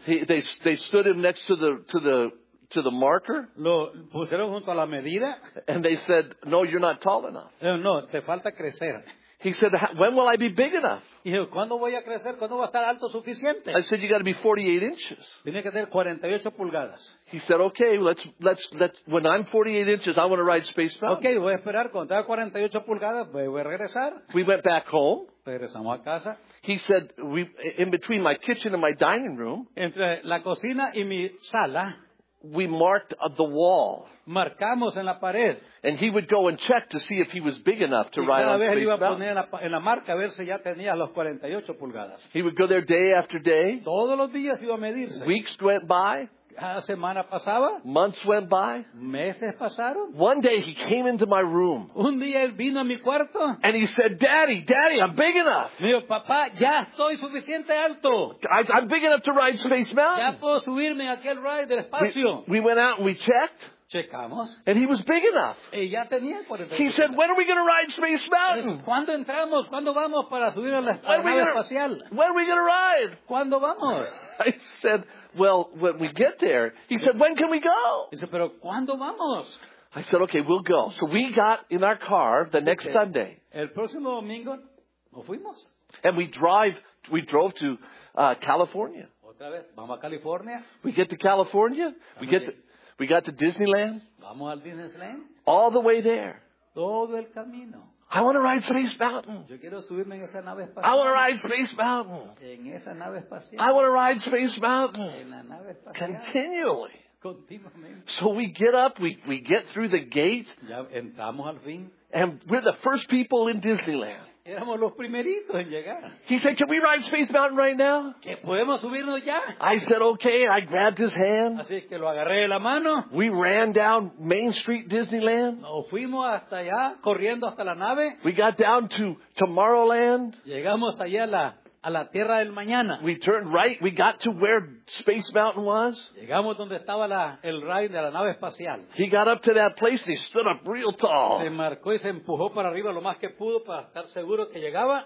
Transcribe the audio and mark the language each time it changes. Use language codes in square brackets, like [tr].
[en] They stood him next to the marker. [es] Lo pusieron junto a la medida. [en] And they said, "No, you're not tall enough." [es] No, te falta crecer. [en] He said, "When will I be big enough?" [es] Y ¿cuándo voy a crecer? ¿Cuándo voy a estar alto suficiente? [en] I said, "You got to be 48 inches." [es] Tiene que tener 48 pulgadas. [en] He said, "Okay, let's when I'm 48 inches, I want to ride Space Mountain." [es] Okay, voy a esperar cuando tenga 48 pulgadas, voy a regresar. [en] We went back home. [es] Regresamos a casa. [en] He said, "In between my kitchen and my dining room." [es] Entre la cocina y mi sala. [en] We marked the wall. [es] Marcamos en la pared. [en] And he would go and check to see if he was big enough to ride on Space Mountain. [es] Y cada vez iba a poner en la marca a ver si ya tenía los 48 pulgadas. [en] He would go there day after day. [es] Todos los días iba a medirse. [en] Weeks went by. [es] Cada semana pasaba. [en] Months went by. [es] Meses pasaron. [en] One day he came into my room. [es] Un día él vino a mi cuarto. [en] And he said, "Daddy, Daddy, I'm big enough." [es] Me dijo, "Papá, ya estoy suficiente alto. [en] I'm big enough to ride Space Mountain." [es] Ya puedo subirme a aquel ride del espacio. [en] We went out and we checked. [es] Checamos. [en] And he was big enough. [es] Y ya tenía 48. [en] He said, "When are we going to ride Space Mountain?" [es] ¿Cuándo entramos? ¿Cuándo vamos para subir a la nave espacial? [en] "When are we going to ride?" [es] ¿Cuándo vamos? [en] I said, "Well, when we get there." He said, "When can we go?" He said, [es] "Pero ¿cuándo vamos?" [en] I said, "Okay, we'll go." So we got in our car the next Sunday. [es] El próximo domingo nos fuimos. [en] And we drove to California. [es] Otra vez, vamos a California. [en] We get to California. We got to Disneyland. [es] Vamos al Disneyland. [en] All the way there. [es] Todo el camino. [en] I want to ride Space Mountain. [es] Yo quiero subirme en esa nave espacial. [en] I want to ride Space Mountain. [es] En esa nave espacial. [en] I want to ride Space Mountain. [es] En la nave espacial. [en] Continually. [es] Continuamente. [en] So we get up, we get through the gate. [es] Ya entramos al fin. [en] And we're the first people in Disneyland. [es] Éramos los primeritos en llegar. [en] He said, "Can we ride Space Mountain right now?" [es] ¿Que podemos subirnos ya? [en] I said, "Okay." I grabbed his hand. [es] Así que lo agarré de la mano. [en] We ran down Main Street Disneyland. [es] Nos fuimos hasta allá, corriendo hasta la nave. [en] We got down to Tomorrowland. [es] Llegamos allá a la tierra del mañana. [en] We turned right. We got to where Space Mountain was. [es] Llegamos donde estaba el ride de la nave espacial. [en] He got up to that place and he stood up real tall. [es] Se marcó y se empujó para arriba lo más que pudo para estar seguro que llegaba.